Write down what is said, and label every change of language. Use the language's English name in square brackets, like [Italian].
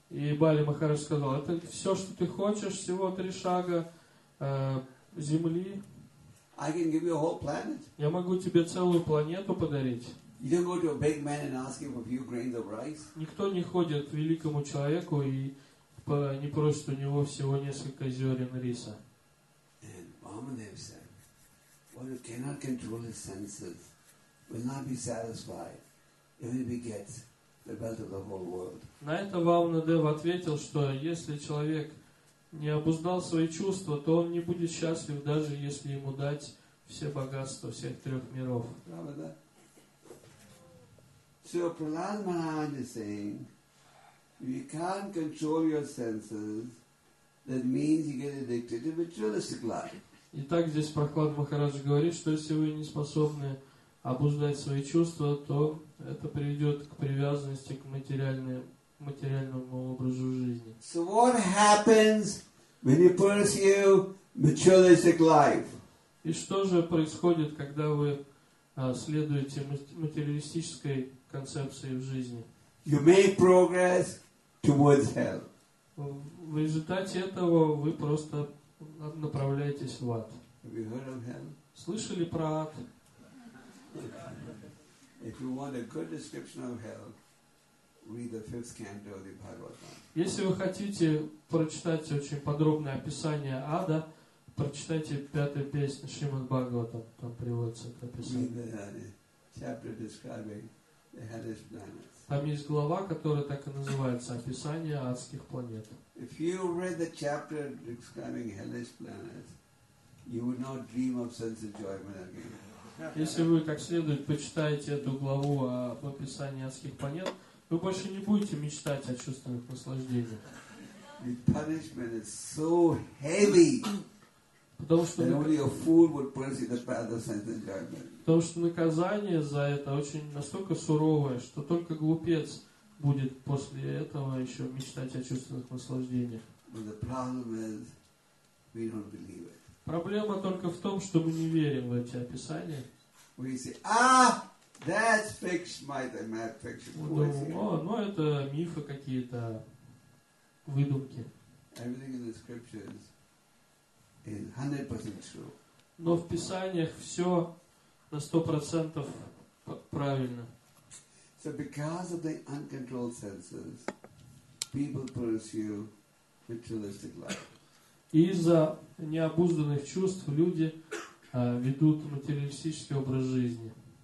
[Russian] И Бали Махарадж сказал, это все что ты хочешь, всего 3 шага земли. [English] I can give you a whole planet. [Russian] Я могу тебе целую планету подарить. [English] You don't go to a big man and ask him a few grains of rice. [Russian] Никто не ходит к великому человеку и не просит у него всего несколько зерен риса. [English] And Vamadeva said, one who cannot control his senses will not be satisfied even if he gets the wealth of the whole world. [Russian] На это Вамадева ответил, что если человек не обуздал свои чувства, то он не будет счастлив, даже если ему дать все богатства всех 3 миров. [English] So Prahlad Maharaj is saying, if you can't control your senses, that means you get addicted to materialistic life. [Russian] Итак, здесь Прохлад Махарадж говорит, что если вы не способны обуздать свои чувства, то это приведет к привязанности к материальному образу жизни. [English] So what happens when you pursue materialistic life? [Russian] И что же происходит, когда вы следуете материалистической концепции в жизни? [English] You make progress towards hell. [Russian] В результате этого вы просто направляетесь в ад. [English] Have you heard of hell? [Russian] Слышали про ад? [English] If you want a good description of hell, read the 5th canto of the Bhagavatam. [Russian] Если вы хотите прочитать очень подробное описание ада, прочитайте 5-ю песню Шримад Бхагаватам. Там приводится это описание. [English] Chapter describing the hellish planets. [Russian] Там есть глава, которая так и называется, описание адских планет. [English] If you read the chapter describing hellish planets, you would not dream of sense enjoyment again. [Russian] Если вы как следует почитаете эту главу о описании адских планет, вы больше не будете мечтать о чувственных наслаждениях. [English] The punishment is so heavy. [Russian] Потому что [English] only a fool would pursue the path of sense enjoyment. [Russian] Потому что наказание за это очень настолько суровое, что только глупец будет после этого еще мечтать о чувственных наслаждениях. [English] But the problem is we don't believe it. [Russian] Проблема только в том, что мы не верим в эти описания. [English] We say, ah! That's fiction, my mad fiction. [Russian] О, ну это мифы какие-то, выдумки. [English] Everything in the scriptures is 100% true. [Russian] Но в писаниях все на 100% правильно. [English] So because of the uncontrolled senses, people pursue materialistic life. [Russian] Из-за необузданных чувств люди ведут материалистический образ жизни.